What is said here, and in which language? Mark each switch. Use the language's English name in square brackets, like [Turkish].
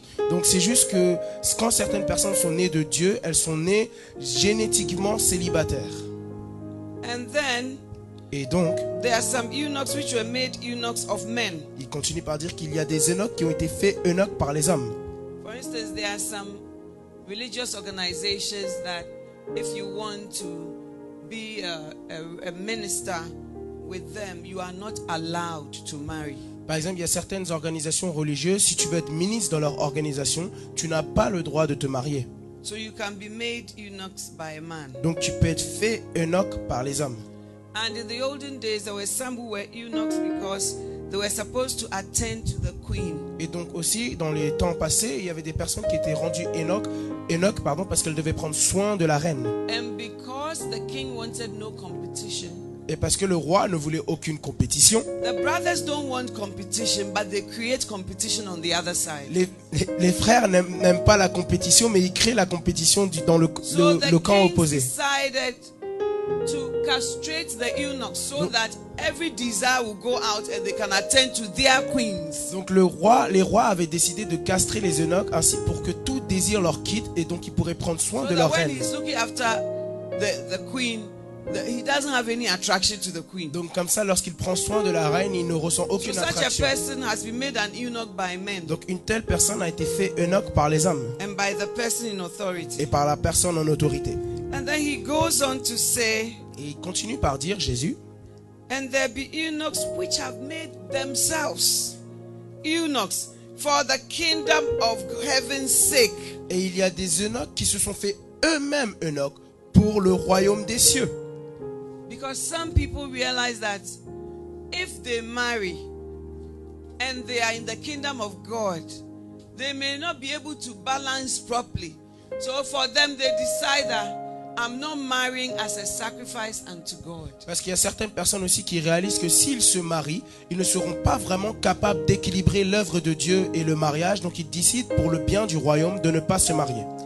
[French] Donc c'est juste que quand certaines personnes sont nées de Dieu, elles sont nées génétiquement célibataires. [English] And then, [French] et donc, [English] there are some eunuchs which were made eunuchs of men. [French] Il continue par dire qu'il y a des eunuchs qui ont été faits eunuchs par les hommes. [English] For instance, there are some religious organizations that if you want to be a minister with them, you are not allowed to marry. [French] Par exemple, il y a certaines organisations religieuses, si tu veux être ministre dans leur organisation, tu n'as pas le droit de te marier. [English] So you can be made eunuchs by a man. [French] Donc tu peux être fait eunuque par les hommes. [English] And in the olden days, there were some who were eunuchs because they were supposed to attend to the queen. [French] Et donc aussi, dans les temps passés, il y avait des personnes qui étaient rendues eunuques, parce qu'elles devaient prendre soin de la reine. [English] And because the king wanted no competition. [French] Et parce que le roi ne voulait aucune compétition. [English] The brothers don't want competition, but they create competition on the other side. [French] Les frères n'aiment pas la compétition, mais ils créent la compétition dans le camp opposé. [English] So the king decided to castrate the eunuchs so that every desire will go out and they can attend to their queens. [French] Donc les rois avaient décidé de castrer les eunuchs ainsi pour que tout désir leur quitte et donc ils pourraient prendre soin [English] so [French] de leur reine. [English] So when he's looking after the queen. He doesn't have any attraction to the queen. [French] Donc comme ça, lorsqu'il prend soin de la reine, il ne ressent aucune [English] so such [French] attraction. [English] A person has been made an eunuch by men. [French] Donc une telle personne a été faite eunuque par les hommes. [English] And by the person in authority. [French] Et par la personne en autorité. [English] And then he goes on to say, [French] et il continue par dire, Jésus, [English] and there be eunuchs which have made themselves eunuchs for the kingdom of heaven's sake. [French] Et il y a des eunuques qui se sont fait eux-mêmes eunuques pour le royaume des cieux. [English] Because some people realize that if they marry and they are in the kingdom of God, they may not be able to balance properly. So for them, they decide that I'm not marrying as a sacrifice unto God. [French] Parce qu'il y a certaines personnes aussi qui réalisent que s'ils se marient, ils ne seront pas vraiment capables d'équilibrer l'œuvre de Dieu et le mariage. Donc ils décident pour le bien du royaume de ne pas se marier.